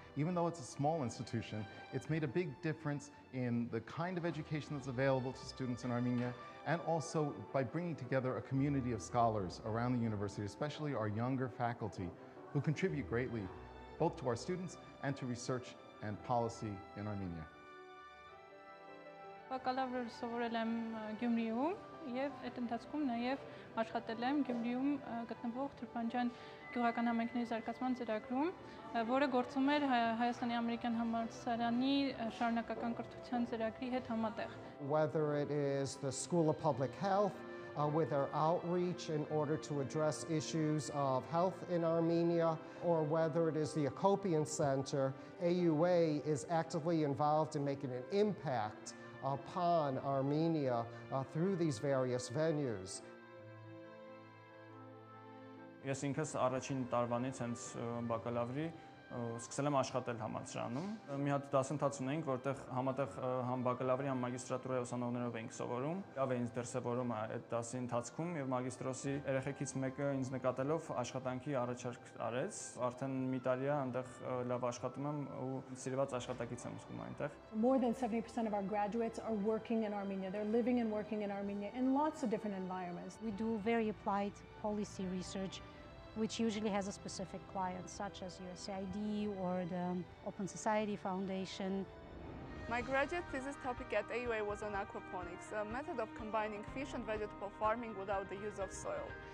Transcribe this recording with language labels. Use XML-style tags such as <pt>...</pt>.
<en>Even though it's a small institution, it's made a big difference in the kind of education that's available to students in Armenia, and also by bringing together a community of scholars around the university, especially our younger faculty, who contribute greatly both to our students and to research and policy in Armenia.</en> <hy>Բակալավրը սովորել եմ Գյումրիում եւ այդ ընթացքում նաեւ աշխատել եմ Գյումրիում գտնվող Թրփանջան գյուղական համայնքների զարգացման ծրագրում, որը գործում էր Հայաստանի Ամերիկյան համալսարանի շարունակական կրթության ծրագրի հետ համատեղ.</hy> <en>Whether it is the School of Public Health with our outreach in order to address issues of health in Armenia, or whether it is the Ecopian Center, AUA is actively involved in making an impact upon Armenia through these various venues.</en> <hy>Ես ինքս առաջին տարվանից հենց բակալավրի սկսել եմ աշխատել համալսարանում։ Մի հատ դասընթաց ունենք, որտեղ համատեղ համ բակալավրի համ մագիստրատուրայի ուսանողներով էինք սովորում։ Լավ էին դրսևորում այդ դասի ընթացքում եւ մագիստրոսի երեխեքից մեկը ինձ նկատելով աշխատանքի առաջարկ արեց։ Արդեն մի տարի է այնտեղ լավ աշխատում եմ ու սիրված աշխատակից եմ ուսում այնտեղ։</hy> <en>More than 70% of our graduates are working in Armenia. They're living and working in Armenia in lots of different environments. We do very applied policy research, which usually has a specific client, such as USAID or the Open Society Foundation. My graduate thesis topic at AUA was on aquaponics, a method of combining fish and vegetable farming without the use of soil.</en>